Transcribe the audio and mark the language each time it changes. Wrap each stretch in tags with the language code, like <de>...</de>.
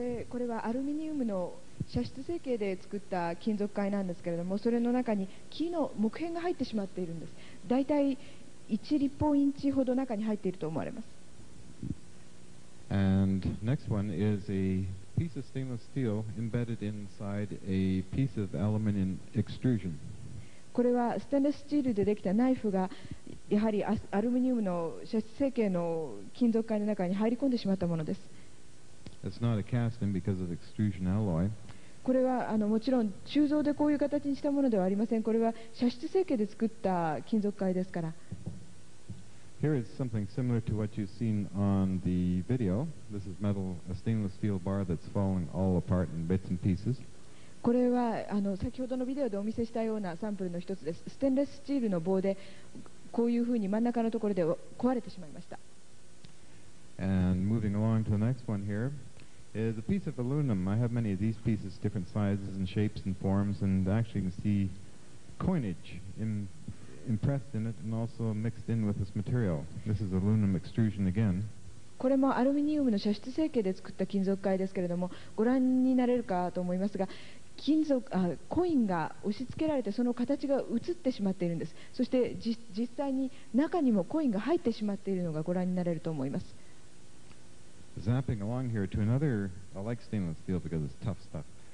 <ja>これはアルミニウムの射出成形で作った金属塊なんですけれども、それの中に木の木片が入ってしまっているんです。だいたい1立方インチほど中に入っていると思われます。</ja> <en>And next one is a piece of stainless steel embedded inside a piece of aluminium extrusion.</en> <ja>これはステンレススチールでできたナイフがやはりアルミニウムの射出成形の金属塊の中に入り込んでしまったものです。</ja> <en>It's not a casting because of extrusion alloy.</en> <ja>これはもちろん鋳造でこういう形にしたものではありません。これは射出成形で作った金属塊ですから。</ja> <en>Here is something similar to what you've seen on the video. This is metal, a stainless steel bar that's falling all apart in bits and pieces.</en> <ja>これは先ほどのビデオでお見せしたようなサンプルの一つです。ステンレススチールの棒でこういうふうに真ん中のところで壊れてしまいました。</ja> <en>And moving along to the next one here is a piece of aluminum. I have many of these pieces, different sizes and shapes and forms, and actually you can see coinage impressed in it and also mixed in with this material. This is aluminum extrusion again.</en> <ja>これもアルミニウムの射出成形で作った金属塊ですけれども、ご覧になれるかと思いますが、コインが押し付けられてその形が映ってしまっているんです。そして実際に中にもコインが入ってしまっているのがご覧になれると思います。</ja> <en>Zapping along here to another, I like stainless steel because it's tough stuff.</en>